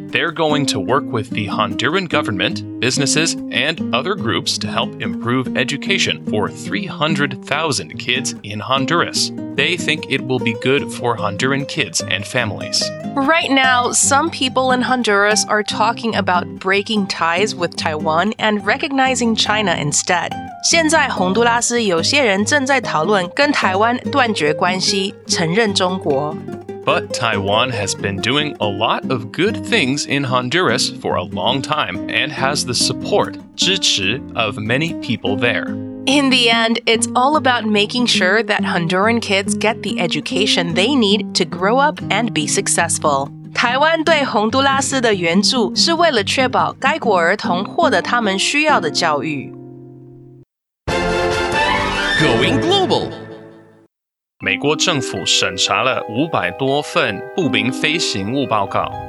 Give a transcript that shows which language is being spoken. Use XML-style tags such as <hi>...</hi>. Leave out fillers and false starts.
<en>They're going to work with the Honduran government, businesses, and other groups to help improve education for 300,000 kids in Honduras. They think it will be good for Honduran kids and families. Right now, some people in Honduras are talking about breaking ties with Taiwan and recognizing China instead.</en> <zh>现在洪都拉斯有些人正在讨论跟台湾断绝关系，承认中国。</zh> <en>But Taiwan has been doing a lot of good things in Honduras for a long time and has the support,</en> <zh>支持,</zh> <en>of many people there. In the end, it's all about making sure that Honduran kids get the education they need to grow up and be successful.</en> <zh>台湾对洪都拉斯的援助是为了确保该国儿童获得他们需要的教育。</zh> <en>Going global.</en> <zh>美国政府审查了500多份不明飞行物报告。</zh>